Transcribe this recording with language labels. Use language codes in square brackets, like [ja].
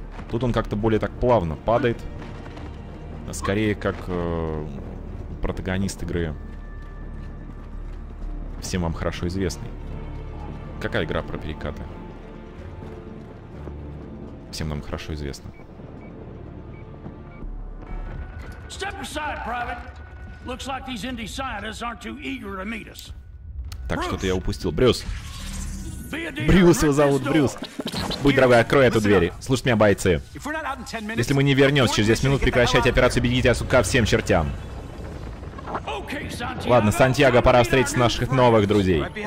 [ru] Тут он как-то более так плавно падает. Скорее как протагонист игры. Всем вам хорошо известный. Какая игра про перекаты? Всем нам хорошо известно. [en] Step aside, Private. Looks like these indie scientists aren't too eager to meet us. [ru] Так, что-то я упустил. Брюс! Брюс, его зовут Брюс. Будь дорогой, открой эту дверь. Слушай меня, бойцы. Если мы не вернемся через 10 минут, прекращайте операцию, бегите от сука всем чертям. Ладно, Сантьяго, пора встретить наших новых друзей.